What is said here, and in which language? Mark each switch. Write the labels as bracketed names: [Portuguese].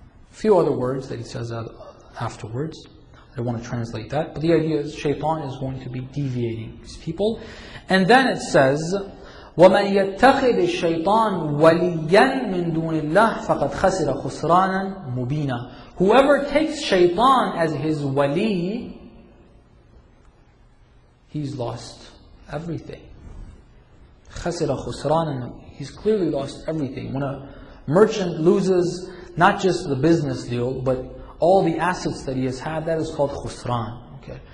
[English] A few other words that he says afterwards. I don't want to translate that. But the idea is shaitan is going to be deviating these people. And then it says, [Arabic] وَمَنْ يَتَّخِذِ الشَّيْطَانُ وَلِيًّا مِنْ دُونِ اللَّهِ فَقَدْ خَسِرَ خُسْرَانًا مُبِينًا. [English] Whoever takes shaitan as his wali, he's lost everything. [Arabic] خَسِرَ خُسْرَانًا. [English] He's clearly lost everything. When a merchant loses not just the business deal, but all the assets that he has had, that is called خُسْران. Okay.